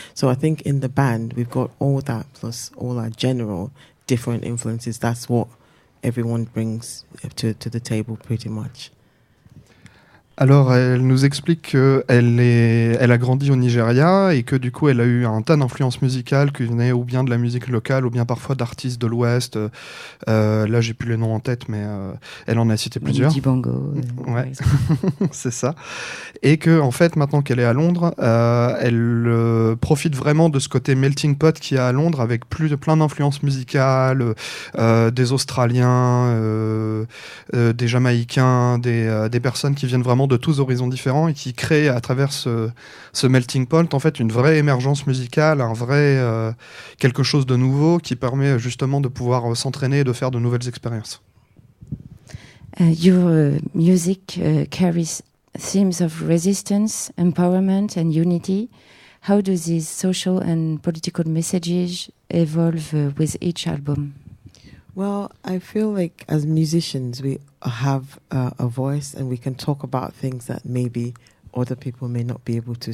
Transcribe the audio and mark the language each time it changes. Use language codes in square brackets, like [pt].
[en] So I think in the band, we've got all that plus all our general different influences. That's what everyone brings to the table pretty much. [fr] Alors, elle nous explique qu'elle a grandi au Nigeria et que du coup, elle a eu un tas d'influences musicales qui venaient ou bien de la musique locale ou bien parfois d'artistes de l'Ouest. Là, j'ai plus les noms en tête, mais elle en a cité plusieurs. Dibango. Ouais, c'est ça. Et que, en fait, maintenant qu'elle est à Londres, elle profite vraiment de ce côté melting pot qu'il y a à Londres avec plein d'influences musicales, des Australiens, des Jamaïcains, des personnes qui viennent vraiment de tous horizons différents et qui crée à travers ce melting pot en fait une vraie émergence musicale, un vrai quelque chose de nouveau qui permet justement de pouvoir s'entraîner et de faire de nouvelles expériences. [en] Your music carries themes of resistance, empowerment and unity. How do these social and political messages evolve with each album? Well, I feel like as musicians, we have a voice and we can talk about things that maybe other people may not be able to.